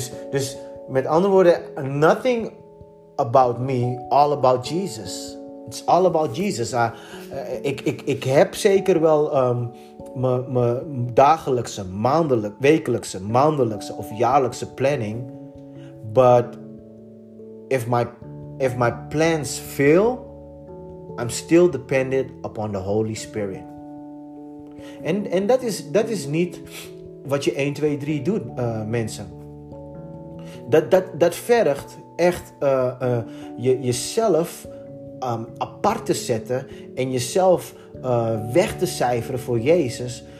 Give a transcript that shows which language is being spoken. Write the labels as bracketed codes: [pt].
[nl] Dus met andere woorden, [en] nothing about me, all about Jesus. It's all about Jesus. [nl] Ik heb zeker wel mijn dagelijkse, wekelijkse, maandelijkse of jaarlijkse planning. [en] But if my plans fail, I'm still dependent upon the Holy Spirit. [nl] En dat is niet wat je 1, 2, 3 doet, mensen. Dat vergt echt jezelf apart te zetten en jezelf weg te cijferen voor Jezus.